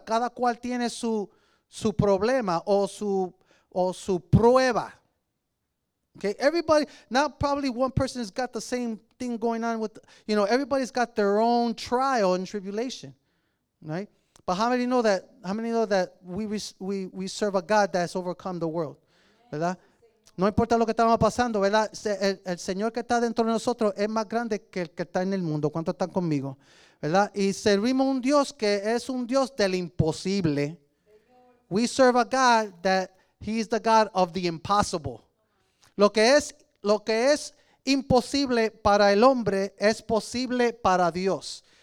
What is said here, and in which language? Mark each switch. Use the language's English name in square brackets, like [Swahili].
[Spanish] Cada cual tiene su problema o su prueba. [English] Okay, everybody, not probably one person has got the same thing going on with, you know, everybody's got their own trial and tribulation, right? But how many know that we serve a God that's overcome the world, ¿verdad? [Spanish] No importa lo que estamos pasando, ¿verdad? El Señor que está dentro de nosotros es más grande que el que está en el mundo. ¿Cuántos están conmigo? ¿Verdad? Y servimos un Dios que es un Dios del imposible. [English] We serve a God that he is the God of the impossible. [Spanish] Lo que es imposible para el hombre es posible para Dios.